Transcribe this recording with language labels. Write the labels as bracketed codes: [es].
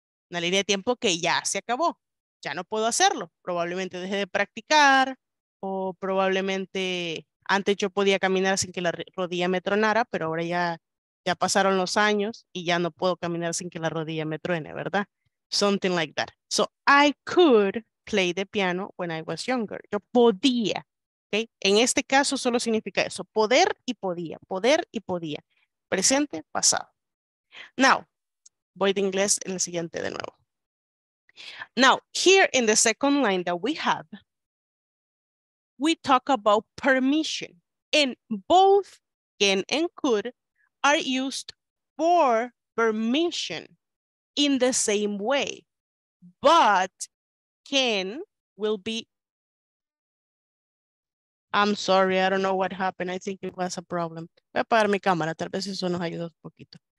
[es] Una línea de tiempo que ya se acabó, ya no puedo hacerlo, probablemente dejé de practicar o probablemente antes yo podía caminar sin que la rodilla me tronara, pero ahora ya pasaron los años y ya no puedo caminar sin que la rodilla me truene, ¿verdad? [en] Something like that. So I could play the piano when I was younger. [es] Yo podía, ¿okay? En este caso solo significa eso, poder y podía, presente, pasado. Now, voy de inglés en el siguiente de nuevo. [en] Now, here in the second line that we have, we talk about permission. And both can and could are used for permission in the same way. But can will be... I'm sorry, I don't know what happened. I think it was a problem. [es] Voy a apagar mi cámara, tal vez eso nos ayuda un poquito.